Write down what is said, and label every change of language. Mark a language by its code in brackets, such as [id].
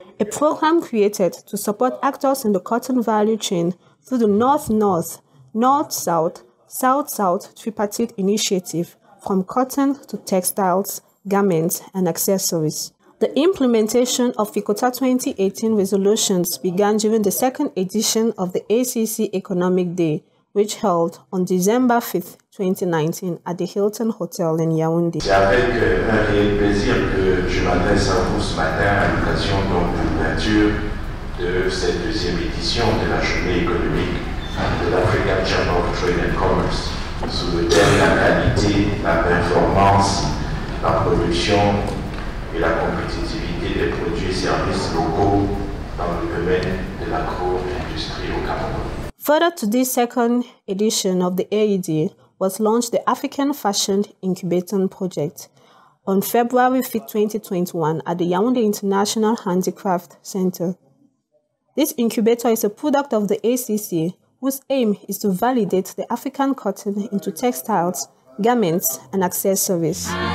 [en] A program created to support actors in the cotton value chain through the North-North, North-South, South-South tripartite initiative from cotton to textiles, garments, and accessories. The implementation of Ficota 2018 resolutions began during the second edition of the ACC Economic Day, which held on December 5, 2019 at the Hilton Hotel in Yaoundé. [fr] C'est avec un réel plaisir que je m'adresse à vous ce matin à l'occasion de l'ouverture de cette deuxième édition de la journée économique de l'African Chamber of Trade and Commerce sous le thème la qualité, la performance, la production et la compétitivité des produits et services locaux dans le domaine de l'agro-industrie au Cameroun. [en] Further to this second edition of the AED was launched the African Fashion Incubator Project on February 5, 2021 at the Yaoundé International Handicraft Center. This incubator is a product of the ACC, whose aim is to validate the African cotton into textiles, garments, and accessories.